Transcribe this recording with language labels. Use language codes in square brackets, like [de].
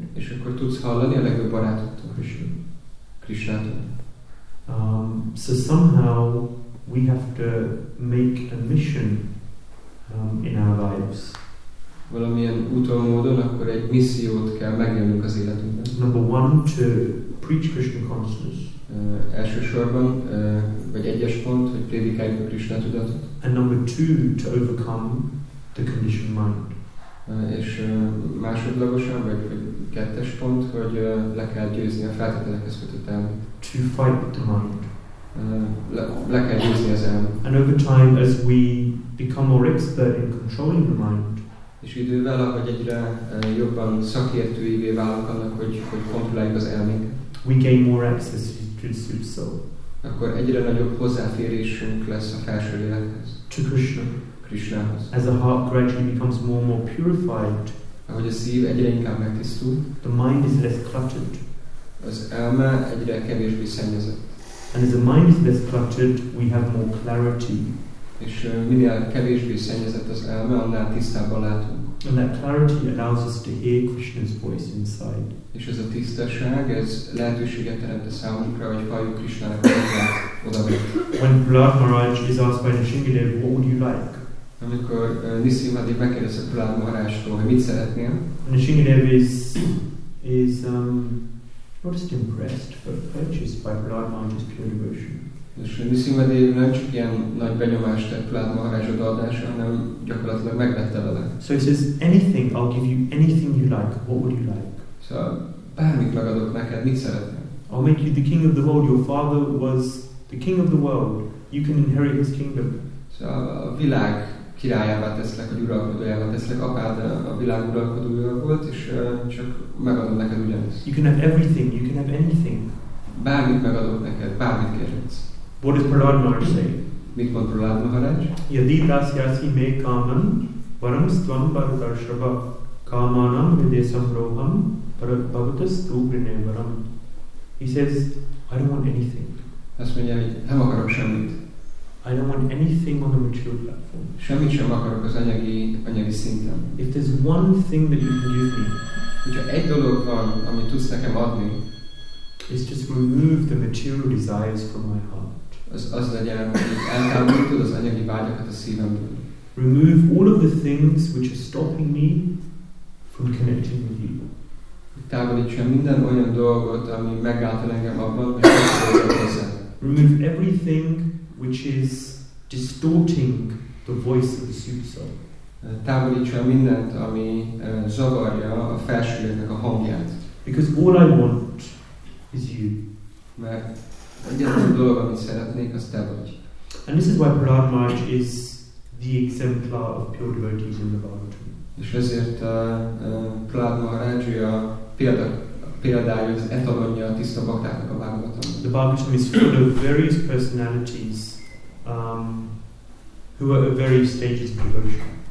[hu] És akkor tudsz hallani a legjobb barátodtól. Krishna. [en] So somehow we have to make a mission in our lives. [hu] Valamilyen úton módon akkor egy missziót kell megélnünk az életünkben. [en] Number one, to preach Krishna consciousness. [hu] Elsősorban, vagy egyes pont, hogy prédikáljuk a Krishna tudatot. [en] And number two, to overcome the conditioned mind. [hu] És másodlagosan, vagy kettes pont, hogy le kell győzni a feltételekhez kötött elmét. [en] To fight with the mind. [hu] Le kell győzni az elmét. [en] And over time, as we become more expert in controlling the mind, [hu] és idővel, ahogy egyre jobban szakértőivé válunk annak, hogy kontrolláljuk az elménket, [en] we gain more access to the Supersoul. [hu] Akkor egyre nagyobb hozzáférésünk lesz a felső lélekhez. [en] To Krishna. [hu] Krishnához. [en] As the heart gradually becomes more and more purified, [hu] ahogy a szív egyre inkább megtisztul, [en] the mind is less cluttered. [hu] Az elme egyre kevésbé szennyezett. [en] And as the mind is less cluttered, we have more clarity. [hu] És minél kevésbé szennyezett az elme, annál tisztábban látunk. [en] And that clarity allows us to hear Krishna's voice inside. [hu] És ez a tisztaság, ez lehetőséget teremt a számunkra, hogy halljuk Krishnának a hangját odabent. [en] When Prahlad Maharaj is asked by Nrisimhadev, what would you like? [hu] Amikor Nrisimhadev megkérdezte Prahlad Maharajtól, hogy mit szeretnél? [en] Nrisimhadev is not just impressed, but purchased by Prahlad Maharaj's pure devotion. [hu] És Nrisimhadev nem csak ilyen nagy benyomást tett Prahlad Maharaj odaadása, hanem gyakorlatilag megvette vele. [en] So he says, anything, I'll give you anything you like, what would you like? [hu] Szóval bármit megadok neked, mit szeretnél? [en] I'll make you the king of the world, your father was the king of the world, you can inherit his kingdom. [hu] Szóval a világ királyává teszlek, vagy uralkodójává teszlek, apád a világ uralkodója volt, és csak megadom neked ugyanezt. [en] You can have everything, you can have anything. [hu] Bármit megadok neked, bármit kérhetsz. [en] What does Prahlad Maharaj say? [hu] Mit mond Prahlad Maharaj? [sa] Yadi dasyasi me kaman varam stvam parudarshava kamanam videsam roham parabhavatas tu grine varam. [en] He says, I don't want anything. [hu] Azt mondja, hogy nem akarok semmit. [en] I don't want anything on the material platform. [hu] Semmit sem akarok az anyagi szinten. [en] If there's one thing that you can give me, [hu] hogyha egy dolog van, amit tudsz nekem adni, [en] is just remove the material desires from my heart. [hu] Az legyen, hogy eltávolítod az anyagi vágyakat a szívemből. [en] Remove all of the things which are stopping me from connecting with you. [hu] Távolítsa minden olyan dolgot, ami megálltad engem abban, hogy kapcsolódjak hozzá. [en] Remove everything which is distorting the voice of the Supersoul. [hu] Távolítsa mindent, ami zavarja a felsőnek a hangját. [en] Because all I want is you. [hu] Mert egyetlen dolog, amit szeretnék, az te vagy. [en] And this is why Prahlad Maharaj is the exemplar of pure devotees in the Bhagavatam. [hu] És ezért Prahlad Maharaj a példája, az etalonja a tiszta baktáknak a Bhagavatam. [en] The Bhagavatam is full of various personalities who are at various stages of devotion.